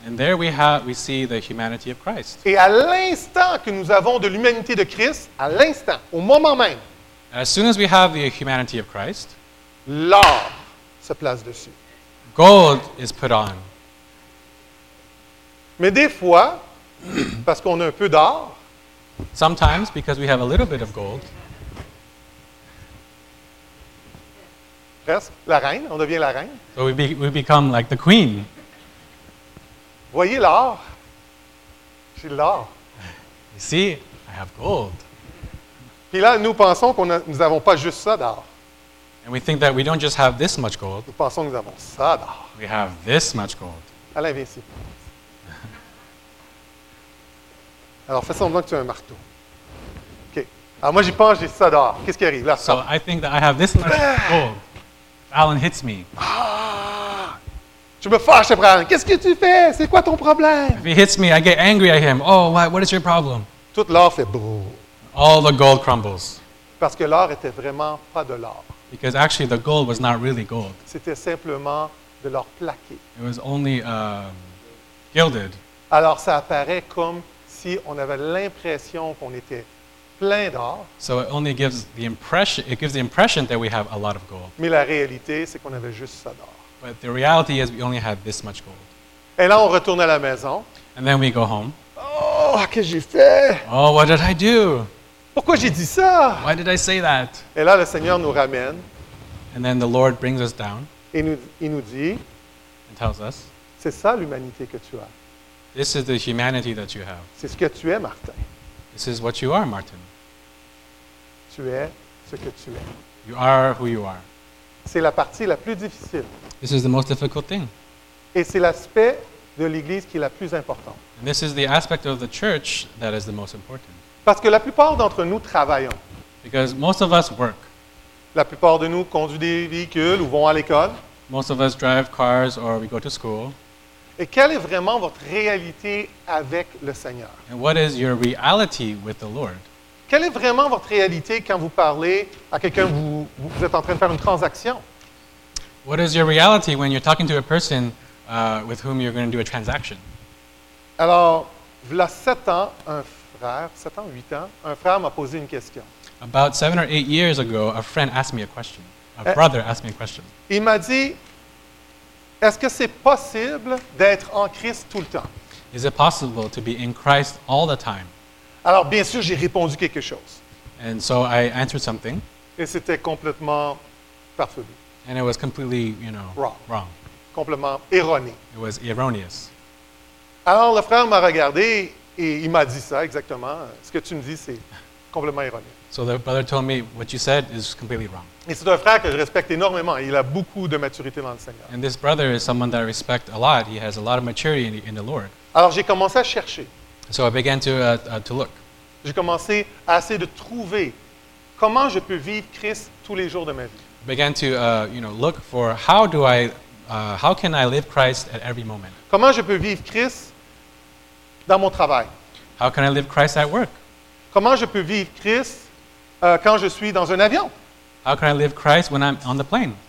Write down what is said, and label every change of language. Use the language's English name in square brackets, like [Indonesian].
[English] And there we see the humanity of Christ. [French] Et à l'instant que nous avons de l'humanité de Christ, à l'instant, au moment même, [English] as soon as we have the humanity of Christ, [French] l'or se place dessus. [English] Gold is put on. [French] Mais des fois, parce qu'on a un peu d'or, [English] sometimes because we have a little bit of gold, [French] la reine, on devient la reine. [English] So we become like the queen. [French] Voyez l'or. J'ai l'or. [English] You see, I have gold. [French] Puis là, nous pensons qu'on a, nous n'avons pas juste ça d'or. [English] And we think that we don't just have this much gold. [French] Nous pensons que nous avons ça d'or. [English] We have this much gold. [French] Alain, viens ici. Alors, fais semblant que tu as un marteau. OK. Alors, moi, j'y pense, j'ai ça d'or. Qu'est-ce qui arrive? Là, [English] so I think that I have this much gold. Alan hits me. [French] Ah, je me fâche après Alan. Qu'est-ce que tu fais? C'est quoi ton problème? [English] If he hits me, I get angry at him. Oh, what is your problem? [French] Tout l'or fait brrr. [English] All the gold crumbles. [French] Parce que l'or était vraiment pas de l'or. [English] Because actually the gold was not really gold. [French] C'était simplement de l'or plaqué. [English] It was only gilded. [French] Alors ça apparaît comme si on avait l'impression qu'on était plein d'or. [English] So it only gives the impression. It gives the impression that we have a lot of gold. [French] Mais la réalité, c'est qu'on avait juste ça d'or. [English] But the reality is we only had this much gold. [French] Et là, on retourne à la maison. [English] And then we go home. [French] Oh, qu'est-ce que j'ai fait? [English] Oh, what did I do? [French] Pourquoi j'ai dit ça? [English] Why did I say that? [French] Et là, le Seigneur nous ramène. [English] And then the Lord brings us down. [French] Et il nous dit. [English] And tells us. [French] C'est ça l'humanité que tu as. [English] This is the humanity that you have. [French] C'est ce que tu es, Martin. [English] This is what you are, Martin. [French] Tu es ce que tu es. [English] You are who you are. [French] C'est la partie la plus difficile. [English] This is the most difficult thing. [French] Et c'est l'aspect de l'Église qui est la plus importante. [English] And this is the aspect of the church that is the most important. [French] Parce que la plupart d'entre nous travaillons. [English] Because most of us work. [French] La plupart de nous conduisent des véhicules ou vont à l'école. [English] Most of us drive cars or we go to school. [French] Et quelle est vraiment votre réalité avec le Seigneur? [English] And what is your reality with the Lord? [French] Quelle est vraiment votre réalité quand vous parlez à quelqu'un, vous êtes en train de faire une transaction? [English] What is your reality when you're talking to a person with whom you're going to do a transaction? [French] Alors, il y a 7 ans, un frère, 7 ans, 8 ans, un frère m'a posé une question. [English] About 7 or 8 years ago, a friend asked me a question. A brother asked me a question. [French] Il m'a dit, est-ce que c'est possible d'être en Christ tout le temps? [English] Is it possible to be in Christ all the time? [French] Alors, bien sûr, j'ai répondu quelque chose. [English] And so I answered something. [French] Et c'était complètement farfelu. [English] And it was completely, you know, wrong. [French] Complètement erroné. [English] It was erroneous. [French] Alors, le frère m'a regardé et il m'a dit ça exactement. Ce que tu me dis, c'est complètement erroné. [English] So the brother told me what you said is completely wrong. [French] Et c'est un frère que je respecte énormément. Il a beaucoup de maturité dans le Seigneur. [English] And this brother is someone that I respect a lot. He has a lot of maturity in the Lord. [French] Alors j'ai commencé à chercher. [English] So I began to look. [French] J'ai commencé à essayer de trouver comment je peux vivre Christ tous les jours de ma vie. [English] I began to look for how can I live Christ at every moment. [French] Comment je peux vivre Christ dans mon travail? [English] How can I live Christ at work? [French] Comment je peux vivre Christ quand je suis dans un avion? [English] How can I live Christ when I'm on the plane?